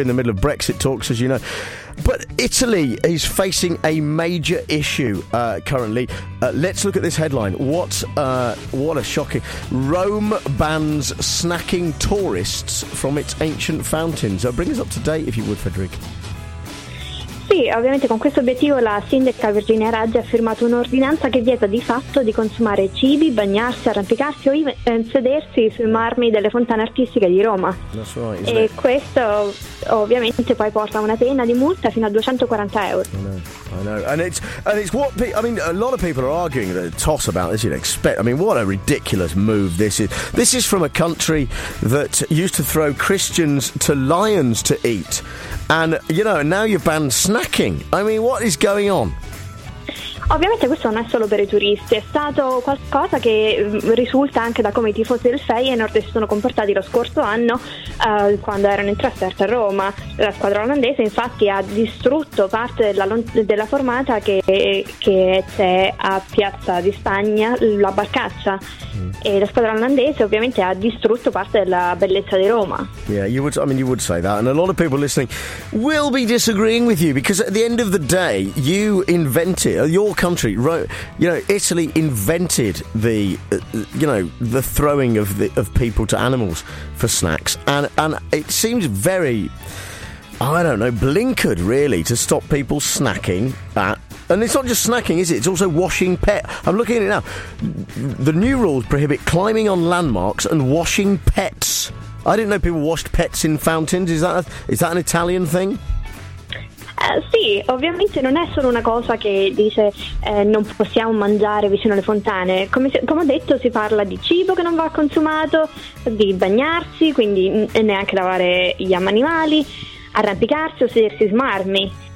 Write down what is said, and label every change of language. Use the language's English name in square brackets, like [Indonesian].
[English] We're in the middle of Brexit talks, as you know. But Italy is facing a major issue currently. Let's look at this headline. What a shocking... Rome bans snacking tourists from its ancient fountains. Bring us up to date, if you would, Federica. [Italian] Sì, ovviamente con questo obiettivo la sindaca Virginia Raggi ha firmato un'ordinanza che vieta di fatto di consumare cibi, bagnarsi, arrampicarsi o sedersi sui marmi delle fontane artistiche di Roma. [English] That's right, isn't it? [Italian] E questo ovviamente poi porta a una pena di multa fino a 240 euro. [English] I know. And it's what a lot of people are arguing that toss about this. You'd expect, what a ridiculous move this is. This is from a country that used to throw Christians to lions to eat. And, you know, now you've banned snacking. I mean, what is going on? [Italian] Ovviamente questo non è solo per i turisti, è stato qualcosa che risulta anche da come i tifosi del Feyenoord si sono comportati lo scorso anno quando erano in trasferta a Roma. La squadra olandese infatti ha distrutto parte della formata che c'è a Piazza di Spagna, la barcaccia. E la squadra olandese ovviamente ha distrutto parte della bellezza di Roma. [English] Yeah, you would say that, and a lot of people listening will be disagreeing with you, because at the end of the day, you invented your country, Italy invented the throwing of people to animals for snacks, and it seems very, I don't know, blinkered really to stop people snacking at. And it's not just snacking, is it? It's also washing pet. I'm looking at it now. The new rules prohibit climbing on landmarks and washing pets. I didn't know people washed pets in fountains. Is that an Italian thing? [Italian] Sì, ovviamente non è solo una cosa che dice non possiamo mangiare vicino alle fontane. Come ho detto, si parla di cibo che non va consumato, di bagnarsi, quindi neanche lavare gli animali, arrampicarsi o sedersi su marmi.